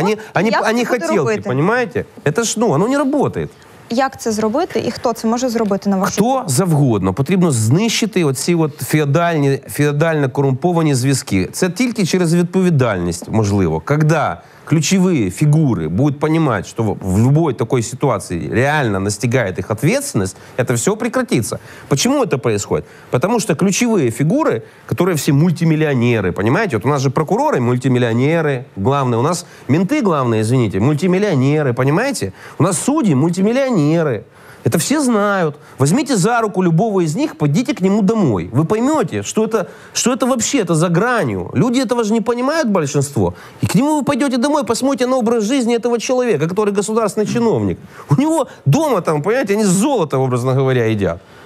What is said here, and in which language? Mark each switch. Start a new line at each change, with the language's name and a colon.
Russian: Ну, они хотелки, понимаете? Это ж, ну, оно не работает.
Ukrainian: Як це зробити і хто це може зробити на вашій? Хто завгодно. Потрібно знищити оці от феодально корумповані зв'язки. Це тільки через відповідальність можливо. Коли ключові фігури будуть розуміти, що в будь-якій такій ситуації реально настигає їх відповідальність, це все прекратиться. Чому це відбувається? Тому що ключові фігури, які всі мультимільйонери, розумієте? От у нас же прокурори мультимільйонери, головне. У нас менти головне, извините, мультимільйонери, розумієте? У нас судді мультимільйонери.
Russian: Это все знают. Возьмите за руку любого из них, пойдите к нему домой. Вы поймете, что это вообще, это за гранью. Люди этого же не понимают, большинство. И к нему вы пойдете домой, посмотрите на образ жизни этого человека, который государственный чиновник. У него дома там, понимаете, они золото, образно говоря, едят.